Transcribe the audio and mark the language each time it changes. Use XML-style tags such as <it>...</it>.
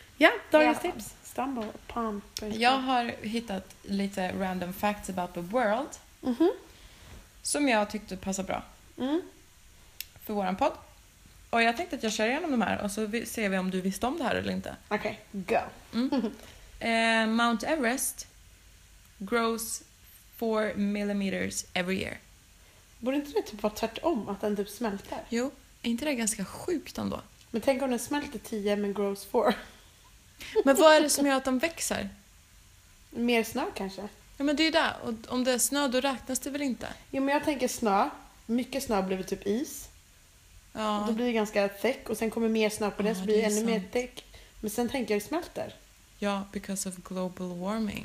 <sv>Ja, dagens tips. Stumble upon. Jag har hittat lite</sv> <en>random facts about the world. Mm-hmm.</en> <sv>Som jag tyckte passade bra. Mm. För våran podd. Och jag tänkte att jag kör igenom de här och så ser vi om du visste om det här eller inte. Okej, go.</sv> <en>Mount Everest grows 4 millimeters every year.</en> <sv>Borde inte det typ vara tvärtom att den typ smälter? Jo, är inte det ganska sjukt ändå? Men tänk om den smälter 10 men</sv> <en>grows 4.</en> <sv>Men vad är det som gör att de växer? Mer snö kanske. Ja men det är ju det, och om det är snö då räknas det väl inte? Jo men jag tänker snö, mycket snö blir typ is. Ja. Då blir det ganska thick. Och sen kommer mer snö på det så blir det ännu mer thick. Men sen tänker jag det smälter. Ja,</sv> <en>because of global warming.</en>